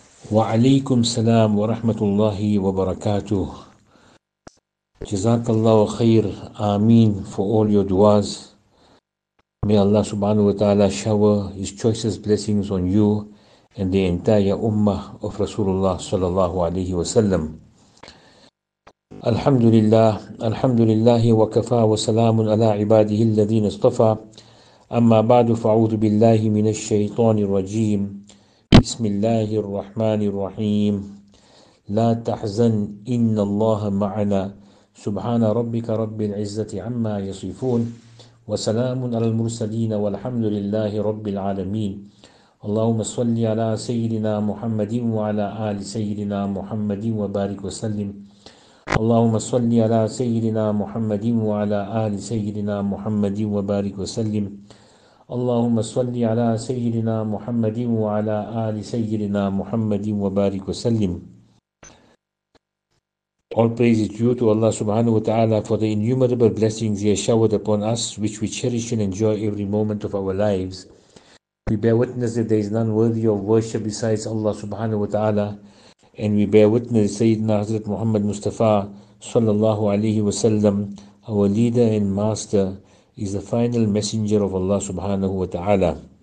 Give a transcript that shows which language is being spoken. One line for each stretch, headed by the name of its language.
Arabic: وعليكم السلام ورحمة الله وبركاته. جزاك الله خير.
English: آمين for all your duas. May Allah subhanahu wa ta'ala shower His choicest blessings on you and the entire ummah of Rasulullah sallallahu alayhi wa sallam.
Arabic: الحمد لله الحمد لله وكفى وسلام على عباده الذين اصطفى. أما بعد فأعوذ بالله من الشيطان الرجيم. بسم الله الرحمن الرحيم. لا تحزن إن الله معنا. سبحان ربك رب العزة عما يصفون وسلام على المرسلين والحمد لله رب العالمين. اللهم صل على سيدنا محمد وعلى آل سيدنا محمد وبارك وسلم. اللهم صل على سيدنا محمد وعلى آل سيدنا محمد وبارك وسلم. اللهم صل على سيدنا محمد وعلى آل سيدنا محمد وبارك وسلم.
English: All praise is due to Allah subhanahu wa ta'ala for the innumerable blessings He has showered upon us, which we cherish and enjoy every moment of our lives. We bear witness that there is none worthy of worship besides Allah subhanahu wa ta'ala, and we bear witness that Sayyidina Hazrat Muhammad Mustafa sallallahu alayhi wa sallam, our leader and master, is the final messenger of Allah subhanahu wa ta'ala.